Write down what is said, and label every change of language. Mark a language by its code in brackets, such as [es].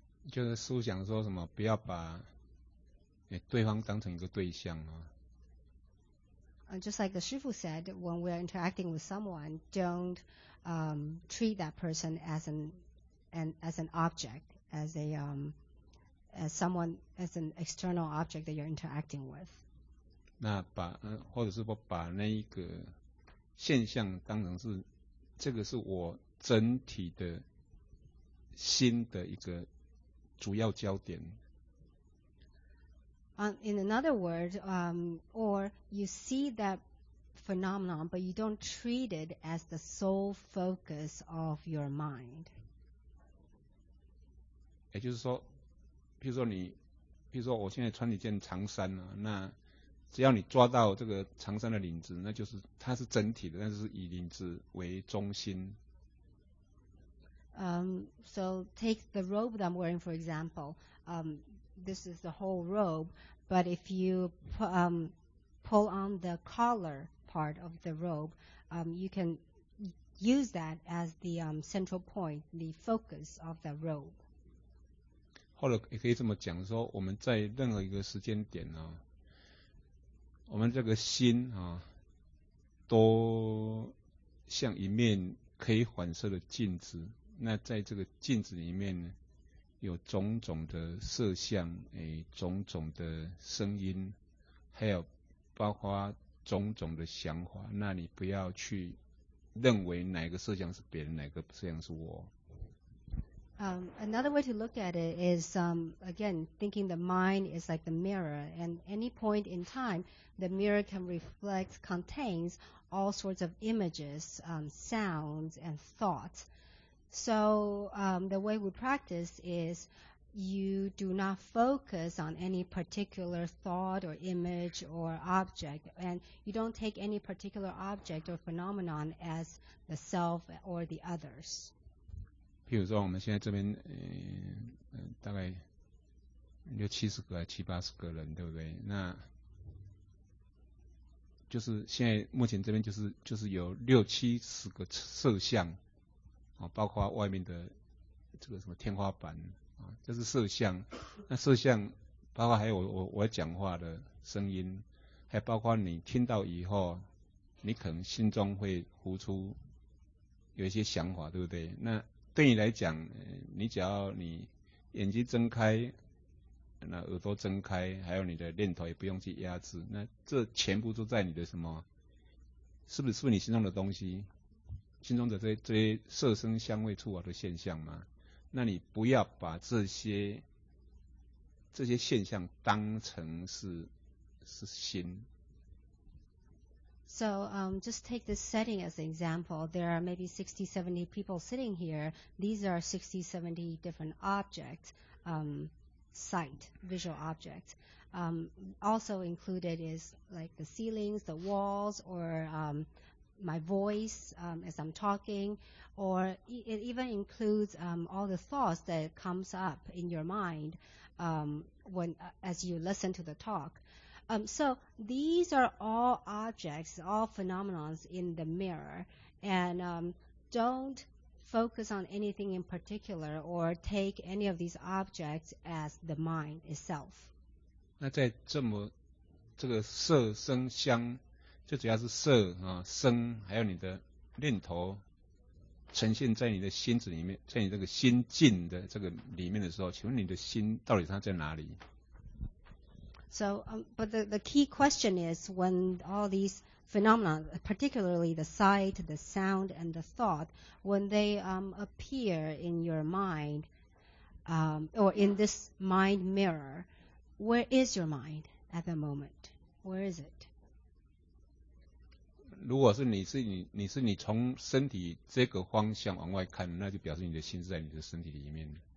[zh] 就是书讲说什么，不要把对方当成一个对象啊。 [en] Just like the Shifu said, when we are interacting with someone, don't treat that person as an object, as an external object that you're interacting with. [zh] 那把或者是说把那一个现象当成是这个是我整体的心的一个。主要焦点。 [en] In another word, or you see that phenomenon, but you don't treat it as the sole focus of your mind. [zh] 也就是说，譬如说我现在穿一件长衫啊，那只要你抓到这个长衫的领子，那就是它是整体的，但是以领子为中心。 [en] So take the robe that I'm wearing, for example. This is the whole robe, but if you pull on the collar part of the robe, you can use that as the central point, the focus of the robe. [zh] 或者也可以这么讲说，我们在任何一个时间点呢，我们这个心啊，都像一面可以反射的镜子。那在这个镜子里面呢，有种种的色相，种种的声音，还有包括种种的想法。那你不要去认为哪个色相是别人，哪个色相是我。 [en] Another way to look at it is, again, thinking the mind is like the mirror, and any point in time, the mirror can reflect, contains all sorts of images, sounds, and thoughts. So the way we practice is you do not focus on any particular thought or image or object, and you don't take any particular object or phenomenon as the self or the others. [zh] 譬如说我们现在这边大概六七十个七八十个人对不对，那就是现在目前这边就是有六七十个色相，包括外面的这个什么天花板啊，这是色相。那色相包括还有我讲话的声音，还包括你听到以后，你可能心中会浮出有一些想法，对不对？那对你来讲，你只要你眼睛睁开，那耳朵睁开，还有你的念头也不用去压制，那这全部都在你的什么？是不是你心中的东西？心中的这些色声香味触法的现象吗？那你不要把这些现象当成是心。 [en] So, just take this setting as an example. There are maybe 60, 70 people sitting here. These are 60, 70 different objects, sight, visual objects. Also included is like the ceilings, the walls, or my voice as I'm talking, or it even includes all the thoughts that comes up in your mind as you listen to the talk. So these are all objects, all phenomenons in the mirror, and don't focus on anything in particular or take any of these objects as the mind itself. [zh] 那在这么这个色声香就主要是色啊、声，还有你的念头呈现在你的心子里面，在你这个心境的这个里面的时候，请问你的心到底它在哪里 [en] ？So, but the key question is when all these phenomena, particularly the sight, the sound, and the thought, when they appear in your mind, or in this mind mirror, where is your mind at the moment? Where is it? [zh] 如果是你从身体这个方向往外看，那就表示你的心是在你的身体里面。